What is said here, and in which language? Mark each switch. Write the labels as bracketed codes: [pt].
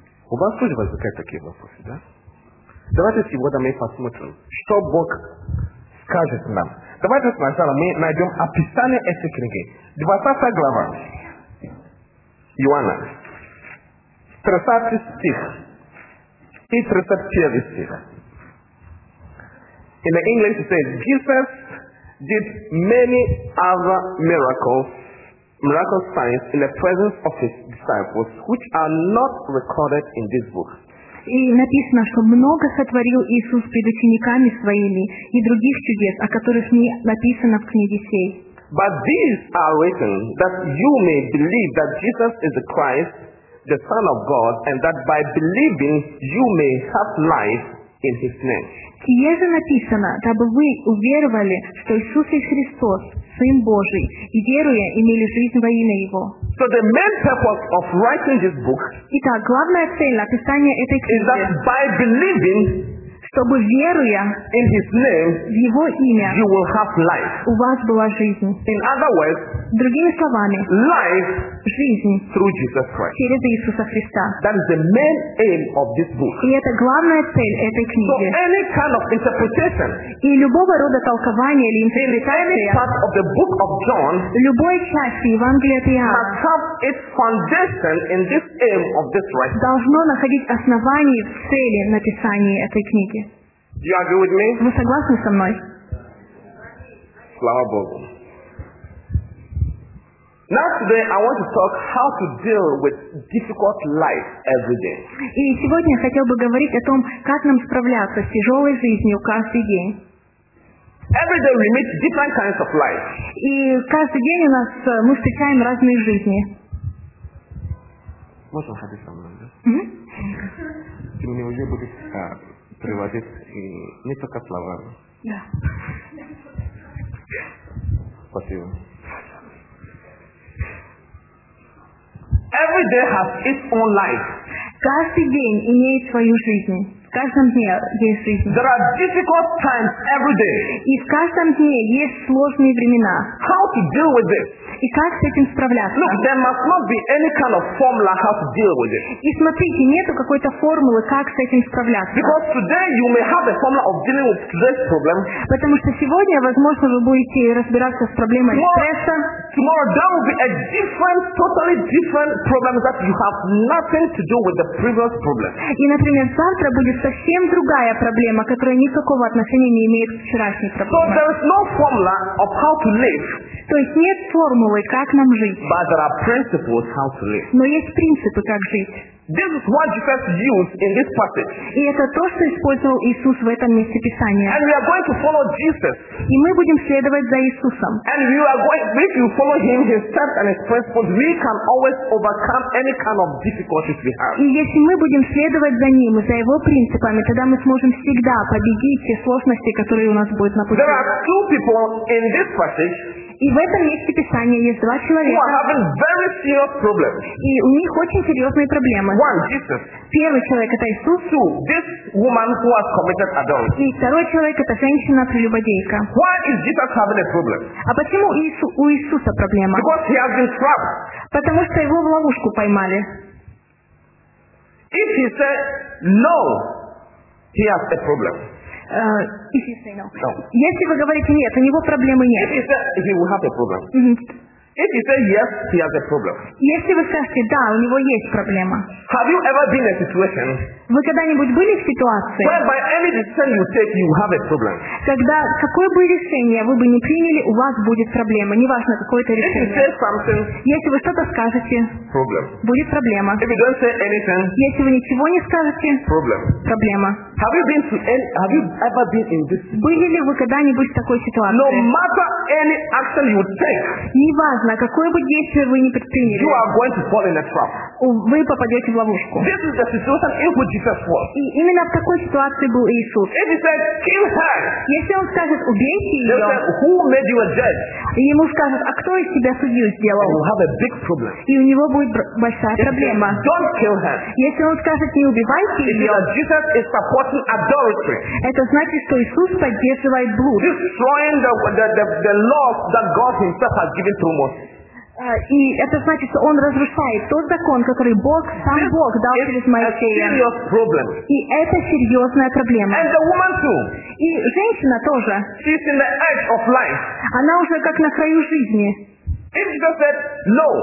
[ru] У вас тоже возникают такие вопросы, да? Давайте сегодня мы посмотрим, что Бог скажет нам. Давайте сначала мы найдем описание этой книги. 20 глава Иоанна, 30 стих и 31 стих. [en] In the English it says, Jesus did many other miracles signs in the presence of his disciples, which are not recorded in this book. [ru] И написано, что много сотворил Иисус перед учениками своими и других чудес, о которых не написано в книге сей. [en] But these are written that you may believe that Jesus is the Christ, the Son of God, and that by believing you may have life in His name. [ru] Сие же написано, дабы вы уверовали, что Иисус есть Христос, Сын Божий, и веруя, имели жизнь во имя Его. [en] So the main purpose of writing this book. [ru] Итак, главная цель написания этой книги. [en] Is that by believing, [ru] чтобы веруя, [en] in His name, [ru] в Его имя, [en] you will have life. [ru] У вас была жизнь. [en] In other words, [ru] другими словами, [en] life, [ru] жизнь, [en] through Jesus Christ. [ru] Через Иисуса Христа. [en] That is the main aim of this book. [ru] И это главная цель этой книги. [en] So any kind of interpretation. [ru] И любого рода толкование или интерпретация. [en] Any part of the book of John. [ru] Любой части Евангелия от Иоанна. [en] Must have its foundation in this aim of this writing. [ru] Должно находить основание в цели написания этой книги. [en] You agree with me? [ru] Вы согласны со мной? Слава Богу. [en] Now today I want to talk how to deal with difficult life every day. [ru] И сегодня я хотел бы говорить о том, как нам справляться с тяжелой жизнью каждый день. [en] Every day we meet different kinds of life. [ru] И каждый день у нас мы встречаем разные жизни. Можно ходить со мной, да? Ты мне уже будешь приводить не только слова. Да. Спасибо. [en] Every day has its own life. [ru] Каждый день имеет свою жизнь. В каждом дне есть жизнь. [en] There are difficult times every day. [ru] И в каждом дне есть сложные времена. [en] How to deal with this? [ru] И как с этим справляться? [en] Look, there must not be any kind of formula how to deal with it. [ru] И смотрите, нету какой-то формулы, как с этим справляться. [en] Because today you may have a formula of dealing with this problem. [ru] Потому что сегодня, возможно, вы будете разбираться с проблемой стресса. [en] Tomorrow there will be a different, totally different problem that you have nothing to do with the previous problem. [ru] И, например, завтра будет совсем другая проблема, которая никакого отношения не имеет к вчерашней проблеме. [en] So there is no formula of how to live. [ru] То есть нет формулы, как нам жить. [en] But there are principles how to live. [ru] Но есть принципы, как жить. [en] This is what Jesus used in this passage. [ru] И это то, что использовал Иисус в этом месте Писания. [en] And we are going to follow Jesus. [ru] И мы будем следовать за Иисусом. [en] And we are going, if you follow him, his steps and his principles, we can always overcome any kind of difficulties we have. [ru] И если мы будем следовать за ним и за его принципами, тогда мы сможем всегда победить все сложности, которые у нас будут на пути. [en] There are two people in this passage. [ru] И в этом месте Писания есть два человека. И у них очень серьезные проблемы. [en] One, Jesus. [ru] Первый человек это Иисус. [en] Two, this woman who has committed adultery. [ru] И второй человек это женщина-прелюбодейка. [en] Why is Jesus having a problem? [ru] А почему у Иисуса проблема? [en] Because he has been trapped. [ru] Потому что его в ловушку поймали. [en] If he said no, he has a problem. If you say no. No. [ru] Если вы говорите нет, у него проблемы нет. [en] If he will have a problem. Mm-hmm. If you say yes, he has a problem. [ru] Если вы скажете да, у него есть проблема. [en] Have you ever been in a situation? [ru] Вы когда-нибудь были в ситуации? [en] Where by any decision you take, you have a problem. [ru] Когда какое бы решение вы бы не приняли, у вас будет проблема, неважно какое это решение. [en] If you say something, [ru] если вы что-то скажете, [en] problem. [ru] Будет проблема. [en] If you don't say anything, [ru] если вы ничего не скажете, [en] problem. [ru] Проблема. Были ли вы когда-нибудь в такой ситуации? [en] No matter any action you take, [ru] неважно, какое бы действие вы ни предприняли, [en] you are going to fall in a trap. [ru] Вы попадете в ловушку. [en] This is the situation in which Jesus was. [ru] И именно в такой ситуации был Иисус. [en] If he said, kill her, [ru] если он скажет, убейте ее, [en] they said, who made you a judge? [ru] И ему скажут, а кто из тебя судью сделал? [en] And you have a big problem. [ru] И у него будет большая [en] if [ru] проблема. [en] Said, don't kill her. [ru] Если он скажет, не убивайте [en] if [ru] ее, [en] Jesus is [ru] это значит, что Иисус поддерживает блуд. [en] Destroying the laws that God Himself has given through Moses. [ru] И это значит, что он разрушает тот закон, который Бог, сам Бог дал через Моисея. И это серьезная проблема. [en] And the woman too. [ru] И женщина тоже. [en] She's in the edge of life. [ru] Она уже как на краю жизни. [en] If Jesus said no,